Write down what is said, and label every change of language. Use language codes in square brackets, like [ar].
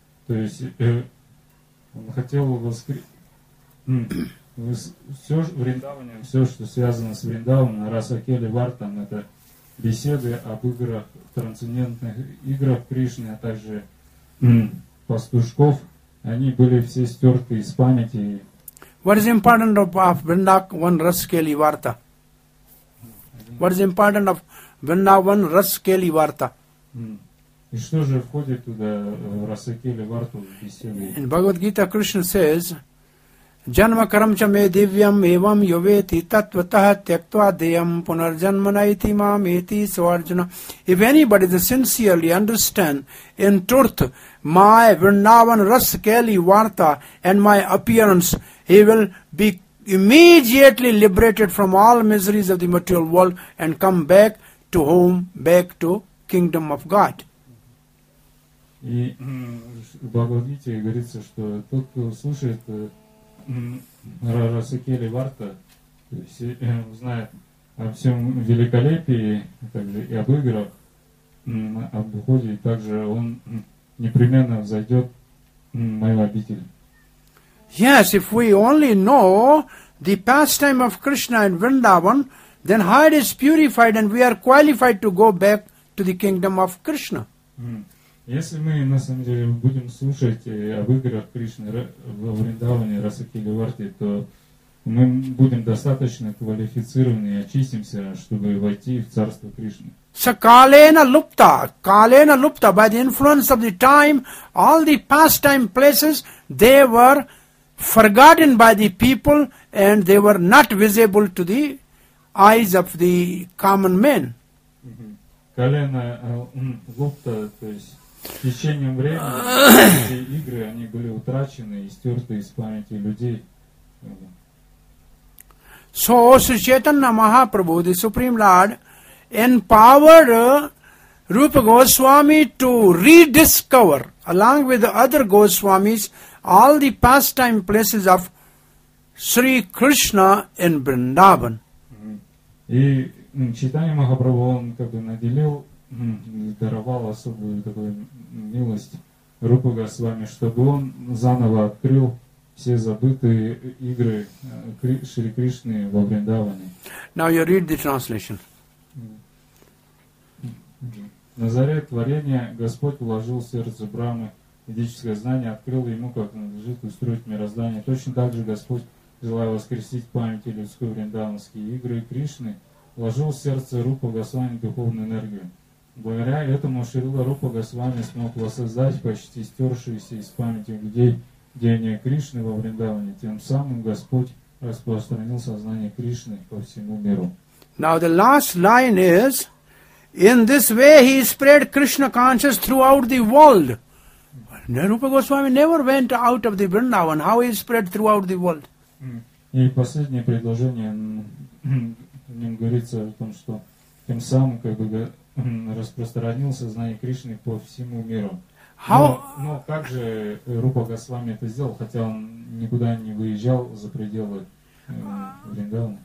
[ru] То есть он хотел воскресить все Вриндаване, все, что связано с Вриндаваном, Расакели Вартам, это беседы об играх, трансцендентных играх Кришны, а также пастушков, они были все стерты из памяти. [en] What is important of Vrindavan Ras Keli Varta? What is important of Vrindavan Ras Keli Varta? [ru] И что же входит туда в Расакели Варту, в беседы? [en] In Bhagavad Gita, Krishna says, [sa] Janma karamcha me divyam evam yoveti tattvatah tyaktva deyam punarjanmanaiti mam eti svarjana. [en] If anybody sincerely understand in truth my Vrindavan Ras Keli Varta and my appearance, he will be immediately liberated from all miseries of the material world and come back to home, back to kingdom of God. [ru] И в Бхагавад-гите говорится, что тот, кто слушает Расакели Варта, то есть узнает о всем великолепии, также и об играх, об духе, и также он непременно взойдет в мою обитель. [en] Yes, if we only know the pastime of Krishna in Vrindavan, then heart is purified and we are qualified to go back to the kingdom of Krishna. [ru] Если мы на самом деле будем слушать об играх Кришны во Вриндаване, Расакели Варте, то мы будем достаточно квалифицированы и очистимся, чтобы войти в царство Кришны. [sa] Сакалена лупта, калена лупта, [en] by the influence of the time, all the pastime places, they were forgotten by the people and they were not visible to the eyes of the common men. [ru] Калена лупта, то есть с течением времени все игры они были утрачены и стерты из памяти людей. [en] So, Sri Chaitanya Mahaprabhu, the Supreme Lord, empowered Rupa Goswami to rediscover, along with the other Goswamis, all the pastime places of Sri Krishna in Vrindavan. [ru] И Chaitanya Mahaprabhu, он как бы наделил, даровал особую такую милость Рупа Госвами, чтобы он заново открыл все забытые игры Шри Кришны во Вриндаване. [en] Now you read the translation. [ru] На заре творения Господь вложил в сердце Брамы ведическое знание, открыл ему, как надлежит устроить мироздание. Точно так же Господь, желая воскресить память людской вриндаванские игры Кришны, вложил в сердце Рупа Госвами духовную энергию. Благодаря этому Шрила Рупа Госвами смог воссоздать почти стершиеся из памяти людей деяния Кришны во Вриндаване. Тем самым Господь распространил сознание Кришны по всему миру. [en] Now the last line is, in this way he spread Krishna consciousness throughout the world. Rupa Goswami never went out of the Vrindavan. How he spread throughout the world? [ru] И последнее предложение, в нем говорится о том, что тем самым как бы распространил сознание Кришны по всему миру. Но как же Рупа Госвами это сделал, хотя он никуда не выезжал за пределы Вриндавана?